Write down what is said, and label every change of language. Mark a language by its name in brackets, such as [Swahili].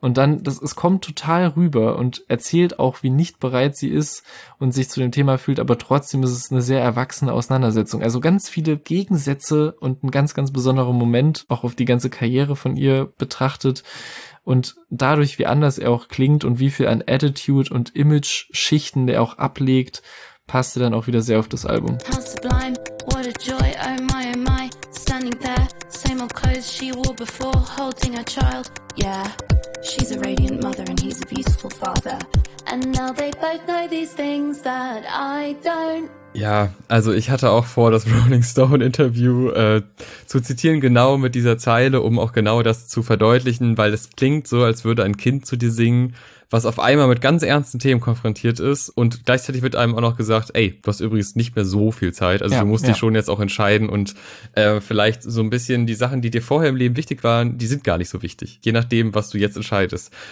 [German] Und dann, es kommt total rüber und erzählt auch, wie nicht bereit sie ist und sich zu dem Thema fühlt, aber trotzdem ist es eine sehr erwachsene Auseinandersetzung. Also ganz viele Gegensätze und ein ganz, ganz besonderer Moment, auch auf die ganze Karriere von ihr betrachtet. Und dadurch, wie anders er auch klingt und wie viel an Attitude und Image-Schichten der auch ablegt, passt er dann auch wieder sehr auf das Album. [English] How sublime, what a joy, oh my, standing there, same old clothes she wore before, holding her child, yeah. She's a radiant mother and he's a beautiful father. And now they both know these things that I don't. [German] Ja, also ich hatte auch vor, das Rolling Stone Interview zu zitieren, genau mit dieser Zeile, um auch genau das zu verdeutlichen, weil es klingt so, als würde ein Kind zu dir singen, was auf einmal mit ganz ernsten Themen konfrontiert ist und gleichzeitig wird einem auch noch gesagt, ey, du hast übrigens nicht mehr so viel Zeit, also ja, du musst dich schon jetzt auch entscheiden und vielleicht so ein bisschen die Sachen, die dir vorher im Leben wichtig waren, die sind gar nicht so wichtig, je nachdem, was du jetzt entscheidest.